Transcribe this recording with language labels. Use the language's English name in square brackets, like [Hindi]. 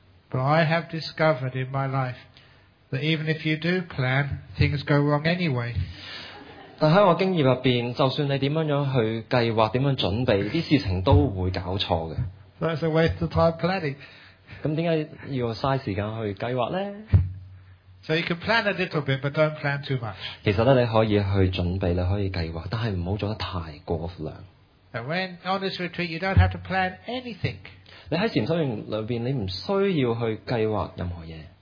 [English] But I have discovered in my life that even if you do plan, things go wrong anyway. [Cantonese] 但喺我經驗入邊，就算你點樣去計劃、點樣準備，啲事情都會搞錯嘅。 [English] So it's a waste of time planning. [Cantonese] 咁點解要嘥時間去計劃呢？ [English] So you can plan a little bit, but don't plan too much. [Cantonese] 其實咧，你可以去準備，你可以計劃，但係唔好做得太過量。 [English] And when on this retreat, you don't have to plan anything. [Cantonese] 你喺禪修營裏邊，你唔需要去計劃任何嘢。